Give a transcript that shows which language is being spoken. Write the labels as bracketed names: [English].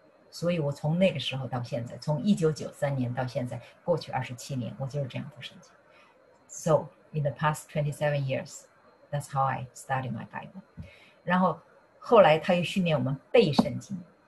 [Chinese] 所以我从那个时候到现在,从1993年到现在,过去27年,我就是这样读圣经. [English] So in the past 27 years, that's how I study my Bible. [Chinese] 然后后来他又训练我们背圣经。